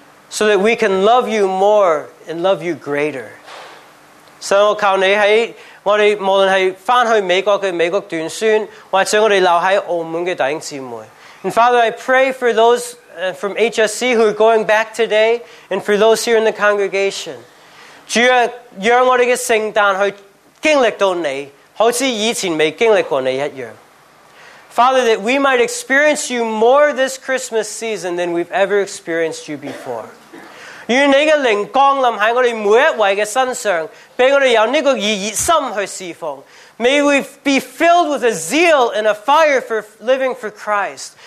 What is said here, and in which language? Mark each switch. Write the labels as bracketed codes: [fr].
[en] So that we can love you more and love you greater. [yue] So, 我求你喺我哋无论系翻去美国嘅美国短宣，或者我哋留喺澳门嘅弟兄姊妹。 [en] And Father, I pray for those from HSC who are going back today, and for those here in the congregation. [yue] 主啊，让我哋嘅圣诞去经历到你，好似以前未经历过你一样。 [en] Father, that we might experience you more this Christmas season than we've ever experienced you before. [yue] 愿你嘅灵降临喺我哋每一位嘅身上，俾我哋有呢个热心去侍奉。 [en] May we be filled with a zeal and a fire for living for Christ.